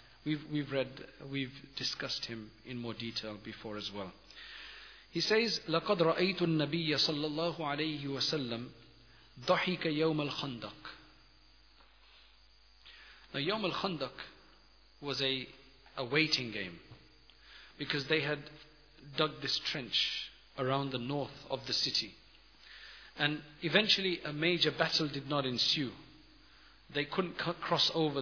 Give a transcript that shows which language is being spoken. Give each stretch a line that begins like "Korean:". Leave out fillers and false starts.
English: We've discussed him in more detail before as well. He says,
Arabic: لَقَدْ رَأَيْتُ النَّبِيَّ صَلَّى اللَّهُ عَلَيْهِ وَسَلَّمْ ضَحِكَ يَوْمَ الْخَنْدَقِ.
English: Now يَوْمَ الْخَنْدَقِ was a waiting game, because they had dug this trench around the north of the city. And eventually a major battle did not ensue. They couldn't cross over.